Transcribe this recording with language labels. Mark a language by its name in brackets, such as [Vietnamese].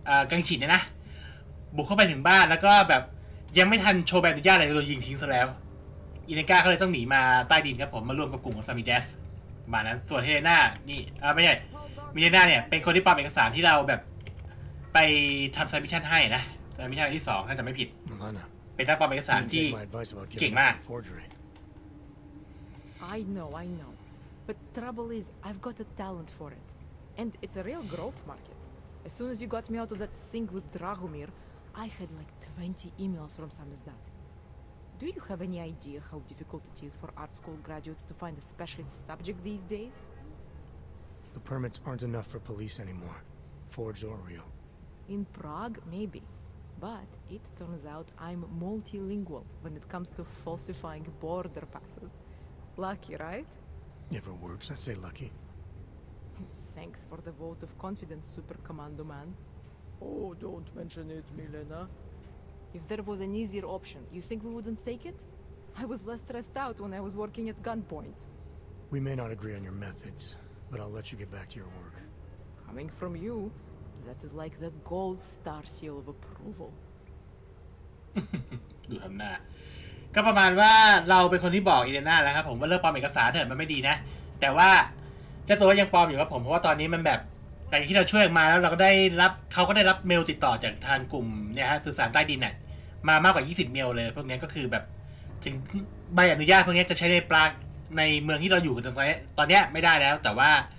[Thai] กังฉินเนี่ยนะบุกเข้าไปถึงบ้านแล้วก็แบบยังไม่ทันโชว์ใบอนุญาตเลยโดนยิงทิ้งซะแล้วอีเลนก้าเขาเลยต้องหนีมาใต้ดินครับผมมาร่วมกับกลุ่มของซามิเดสมานั้นส่วนเฮเลน่านี่ไม่ใช่มิเลน่าเนี่ยเป็นคนที่ปลอมเอกสารที่เราแบบไปทำซามิชันให้นะซามิชันที่สองถ้าจำไม่ผิดเป็นนักปลอมเอกสารที่เก่งมาก [English] I know but trouble is I've got a talent for it and it's a real growth market as soon as you got me out of that thing with DragomirI had like 20 emails from Samizdat. Do you have any idea how difficult it is for art school graduates to find a specialist subject these days? The permits aren't enough for police anymore, forged or real. In Prague, maybe. But it turns out I'm multilingual when it comes to falsifying border passes. Lucky, right? If it works, I'd say lucky. Thanks for the vote of confidence, Super Commando Man. Oh, don't mention it, Milena. If there was an easier option, you think we wouldn't take it? I was less stressed out when I was working at gunpoint. We may not agree on your methods, but I'll let you get back to your work. Coming from you, that is like the gold star seal of approval. [Thai] ดูทำหน้าก็ประมาณว่าเราเป็นคนที่บอกอีเลน่าแล้วครับผมว่าเลิกปลอมเอกสารเถอะมันไม่ดีนะแต่ว่าเจ้าตัวยังปลอมอยู่ครับผมเพราะว่าตอนนี้มันแบบหลังจากที่เราช่วยมาแล้วเราก็ได้รับเขาก็ได้รับเมลติดต่อจากทางกลุ่มเนี่ยฮะสื่อสารใต้ดินเนี่ยมามากกว่า20เมลเลยพวกนี้ก็คือแบบถึงใบอนุญาตพวกนี้จะใช้ในปลาในเมืองที่เราอยู่กันตอนนี้ไม่ได้แล้วแต่ว่า